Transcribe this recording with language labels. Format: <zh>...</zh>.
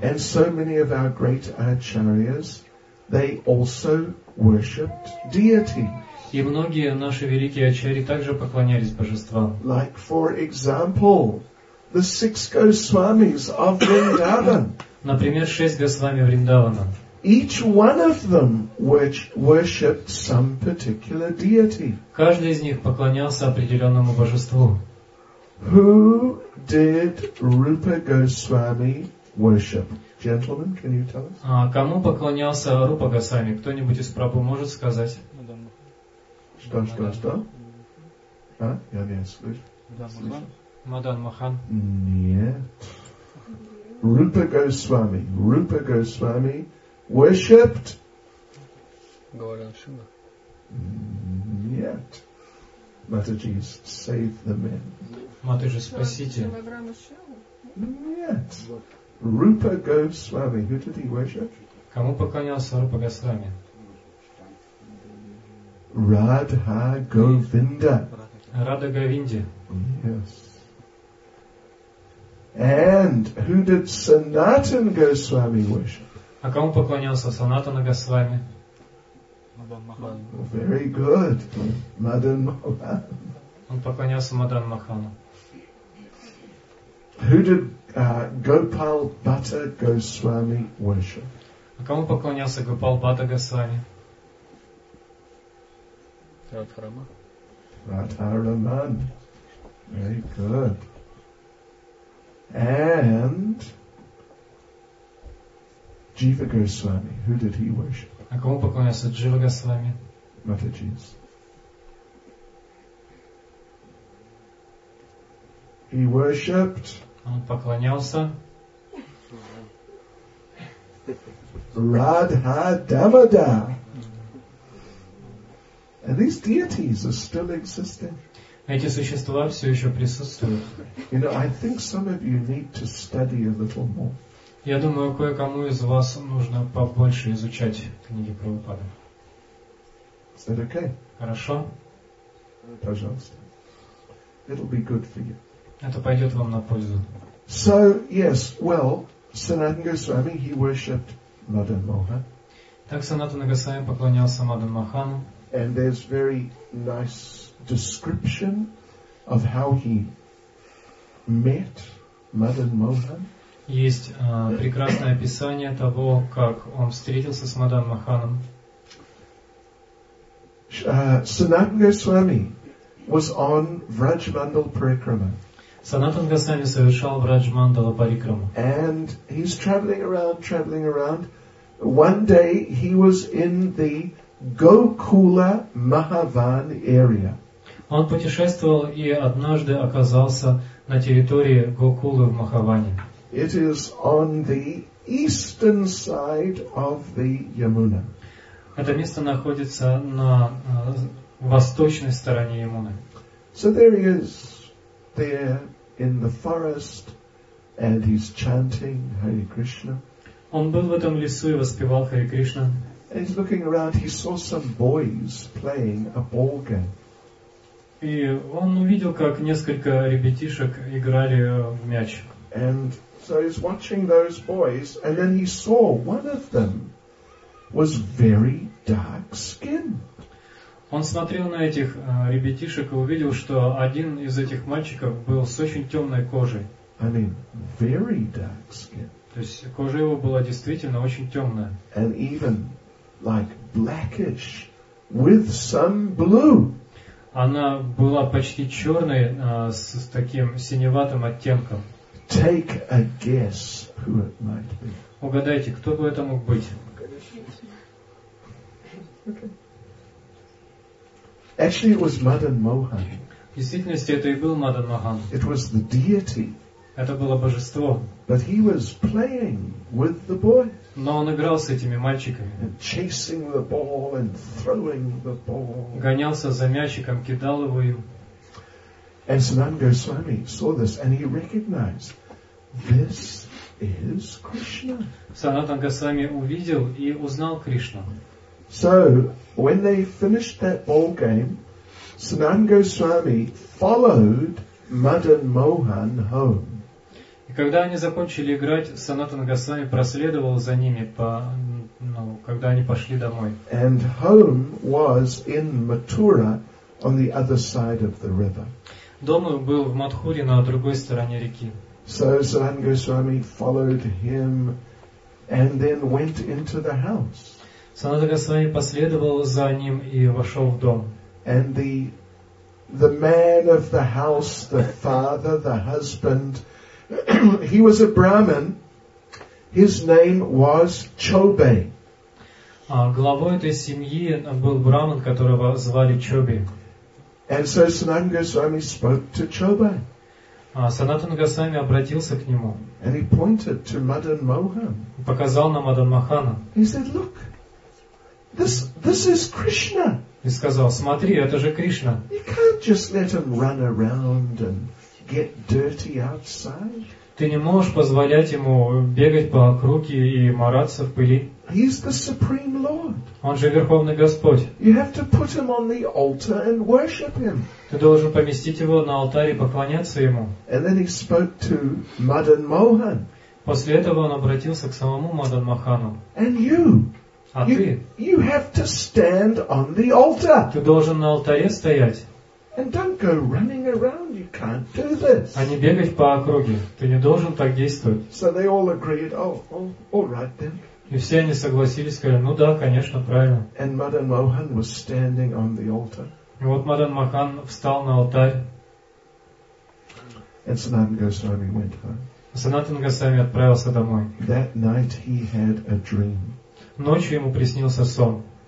<en>And so many of our great acharyas, they also worshipped deity.</en> <ru>И многие наши великие ачарьи также поклонялись божествам.</ru> <en>Like, for example, the six Госвамис of Vrindavan.</en> <ru>Например, шесть Госвами Вриндавана.</ru> <en>Each one of them worshipped some particular deity.</en> <ru>Каждый из них поклонялся определенному божеству.</ru> <en>Who did Rupa Goswami worship? Gentlemen, can you tell us?</en> <ru>Кому поклонялся Рупа Госвами? Кто-нибудь из Прабху может сказать? Что? Я не слышу. Мадан Махан. Нет. Рупа Госвами.</ru> <en>Рупа Госвами worshipped.</en> <ru>Говорил Шива. Нет.</ru> <en>Матаджи, save the men.</en> <ru>Матаджи, спасите. Нет.</ru> <en>Рупа Госвами. Who did he worship?</en> <ru>Кому поклонялся Рупа Госвами? Радха Говинда. Радха Говинде.</ru> <en>Yes. And who did Sanatana Goswami worship?</en> <ru>А кому поклонялся Санатана Госвами? Мадан Махан.</ru> <en>Very good. Мадан Махан.</en> <ru>Он поклонялся Мадан Махану.</ru> <en>Who did Gopal Bhatta Goswami worship?</en> <ru>А кому поклонялся Гопал Бхатта Госвами? Радхарама.</ru> <en>Радхараман. Very good. And Jiva Goswami, who did he worship?</en> <ru>А кому поклонялся Джива Госвами? Матаджи.</ru> <en>He worshipped.</en> <ru>Он поклонялся.</ru> <en>Radha Damoda. And these deities are still existing.</en> <ru>Эти существа все еще присутствуют.</ru> <en>You know, I think some of you need to study a little more.</en> <ru>Я думаю, кое-кому из вас нужно побольше изучать книги Прабхупады.</ru> <en>Is that okay?</en> <ru>Хорошо. Пожалуйста.</ru> <en>It'll be good for you.</en> <ru>Это пойдет вам на пользу.</ru> <en>So, yes, well, Sanatana Goswami, he worshipped Madan Mohan.</en> <ru>Так Санатана Госвами поклонялся Мадан Махану.</ru> <en>And there's very nice description of how he met Madan Mohan.</en> <ru>Есть прекрасное описание того, как он встретился с Мадан Маханом.</ru> <en>Санатана Госвами was on Враж Мандала Парикрама.</en> <ru>Санатана Госвами совершал Враж Мандала Парикраму.</ru> <en>And he's traveling around. One day he was in the Gokula Mahavan area.</en> <ru>Он путешествовал и однажды оказался на территории Гокулы в Махаване.</ru> <en>It is on the eastern side of the Yamuna.</en> <ru>Это место находится на восточной стороне Ямуны.</ru> <en>So there he is, there in the forest, and he's chanting Hare Krishna.</en> <ru>Он был в этом лесу и воспевал Хари Кришна.</ru> <en>And he's looking around, he saw some boys playing a ball game.</en> <ru>И он увидел, как несколько ребятишек играли в мяч.</ru> <en>And so he's watching those boys, and then he saw one of them was very dark skinned.</en> <ru>Он смотрел на этих ребятишек и увидел, что один из этих мальчиков был с очень темной кожей.</ru> <en>I mean, very dark skin.</en> <ru>То есть кожа его была действительно очень темная.</ru> <en>And even like blackish with some blue.</en> <ru>Она была почти черной с таким синеватым оттенком.</ru> <en>Take a guess who it might be.</en> <ru>Угадайте, кто бы это мог быть?</ru> <en>Actually, it was Madan Mohan.</en> <ru>В действительности, это и был Мадан Махан.</ru> <en>It was the deity.</en> <ru>Это было божество.</ru> <en>But he was playing with the boy.</en> <ru>Но он играл с этими мальчиками.</ru> <en>And chasing the ball and throwing the ball.</en> <ru>Гонялся за мячиком, кидал его им.</ru> <en>And Sanatana Goswami saw this, and he recognized, this is Krishna.</en> <ru>Санатана Госвами увидел и узнал Кришну.</ru> <en>So when they finished that ball game, Sanatana Goswami followed Madan Mohan home.</en> <ru>И когда они закончили играть, Санатана Госвами проследовал за ними, когда они пошли домой.</ru> <en>And home was in Mathura on the other side of the river.</en> <ru>Дом был в Матхуре на другой стороне реки.</ru> <en>So Sanatana Goswami followed him and then went into the house.</en> <ru>Sanatana Goswami последовал за ним и вошел в дом.</ru> <en>And the man of the house, the father, the husband, he was a Brahmin. His name was Chobe.</en> <ru>Главой этой семьи был Брахман, которого звали Чобе.</ru> <en>And so Sanatana Goswami spoke to Chobe.</en> <ru>Санатан Госвами обратился к нему.</ru> <en>And he pointed to Madan Mohan.</en> <ru>Показал на Мадан Махана.</ru> <en>He said, look, this is Krishna.</en> <ru>И сказал, смотри, это же Кришна.</ru> <en>You can't just let him run around and get dirty outside.</en> <ru>Ты не можешь позволять ему бегать по округе и мараться в пыли.</ru> <en>He is the Supreme Lord.</en> <ru>Он же Верховный Господь.</ru> <en>You have to put him on the altar and worship him.</en> <ru>Ты должен поместить его на алтарь и поклоняться ему.</ru> <en>And then he spoke to Madan Mohan.</en> <ru>После этого он обратился к самому Мадан Махану.</ru> <en>And you.</en> <ru>А</ru> <en>you,</en> <ru>ты?</ru> <en>You have to stand on the altar.</en> <ru>Ты должен на алтаре стоять.</ru> <en>And don't go running around. You can't do this.</en> <ru>А не бегать по округе. Ты не должен так действовать.</ru> <en>So they all agreed. All right then.</en> <ru>И все они согласились, сказали, ну да, конечно, правильно.</ru> <en>And Madan Mohan was standing on the altar.</en> <ru>И вот Мадан Махан встал на алтарь.</ru> <en>And Sanatan Goswami went home.</en> <ru>Санатан Госвами отправился домой.</ru> <en>That night he had a dream.</en> <ru>Ночью ему приснился сон.</ru>